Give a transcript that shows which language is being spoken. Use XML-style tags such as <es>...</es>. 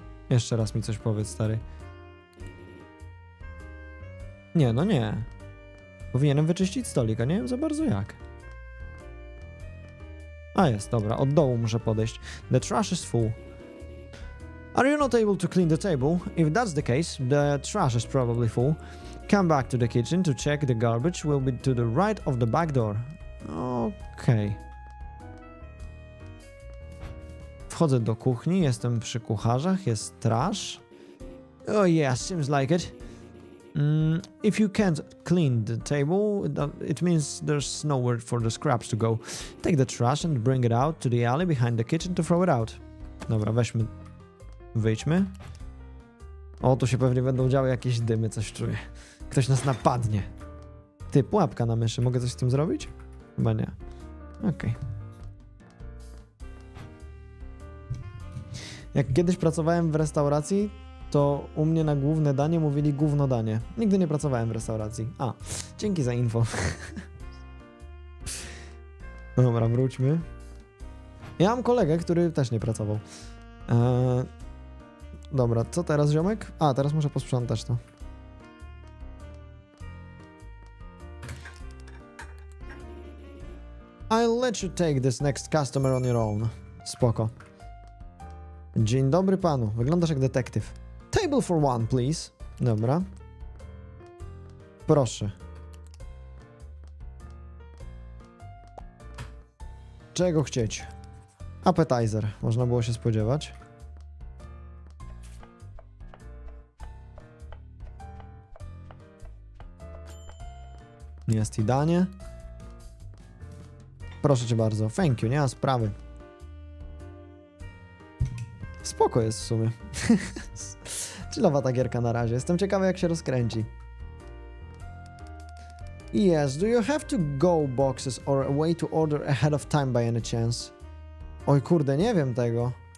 <pl>Jeszcze raz mi coś powiedz, stary. Nie, no nie. Powinienem wyczyścić stolik, a nie wiem za bardzo jak. A jest, dobra, od dołu muszę podejść.</pl> <en>The trash is full. Are you not able to clean the table? If that's the case, the trash is probably full. Come back to the kitchen to check the garbage will be to the right of the back door.</en> <pl>Okej. Wchodzę do kuchni, jestem przy kucharzach, jest trash.</pl> <en>Oh yeah, seems like it. If you can't clean the table, it means there's nowhere for the scraps to go. Take the trash and bring it out to the alley behind the kitchen to throw it out.</en> <pl>Dobra, weźmy, wyjdźmy. O, tu się pewnie będą działy jakieś dymy, coś czuję. Ktoś nas napadnie. Ty, pułapka na myszy, mogę coś z tym zrobić? Chyba nie. Okej. Okay. Jak kiedyś pracowałem w restauracji, to u mnie na główne danie mówili gówno danie. Nigdy nie pracowałem w restauracji. A, dzięki za info. Dobra, wróćmy. Ja mam kolegę, który też nie pracował. Dobra, co teraz, ziomek? A, teraz muszę posprzątać to.</pl> <en>I'll let you take this next customer on your own.</en> <pl>Spoko. Dzień dobry panu. Wyglądasz jak detektyw.</pl> <en>Table for one, please.</en> <pl>Dobra. Proszę. Czego chcieć? Appetizer. Można było się spodziewać. Jest i danie. Proszę cię bardzo.</pl> <en>Thank you.</en> <pl>Nie ma sprawy. Spoko jest w sumie. Chillowa ta gierka na razie. Jestem ciekawy, jak się rozkręci.</pl> <en>Yes, do you have to go boxes or a way to order ahead of time by any chance?</en> <pl>Oj kurde, nie wiem tego.</pl>